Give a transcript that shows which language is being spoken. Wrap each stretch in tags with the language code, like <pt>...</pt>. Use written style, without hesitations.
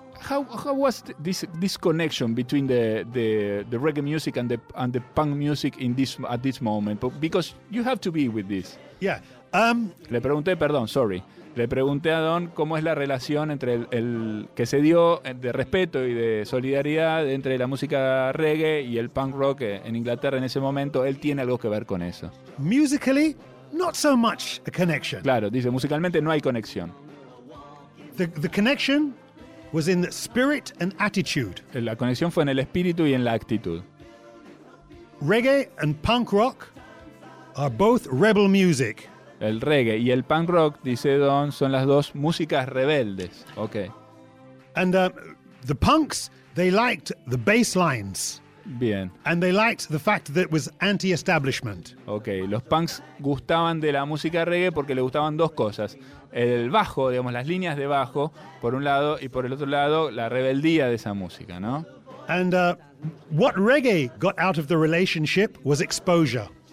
<en>How was this connection between the reggae music and the punk music in this at this moment? Because you have to be with this. Yeah.</en> <es>Le pregunté, perdón, sorry. le pregunté a Don cómo es la relación entre el que se dio de respeto y de solidaridad entre la música reggae y el punk rock en Inglaterra en ese momento. Él tiene algo que ver con eso.</es> <en>Musically, not so much a connection.</en> <es>Claro, dice, musicalmente no hay conexión.</es> <en>The connection was in the spirit and attitude.</en> <es>La conexión fue en el espíritu y en la actitud.</es> <en>Reggae and punk rock are both rebel music.</en> <es>El reggae y el punk rock, dice Don, son las dos músicas rebeldes.</es> <en>Okay. And the punks, they liked the bass lines.</en> <es>Bien.</es> <en>And they liked the fact that it was anti-establishment.</en> <es>Okay, los punks gustaban de la música reggae porque le gustaban dos cosas: el bajo, digamos, las líneas de bajo, por un lado, y por el otro lado, la rebeldía de esa música, ¿no?</es> <en>And what reggae got out of the relationship was exposure.</en>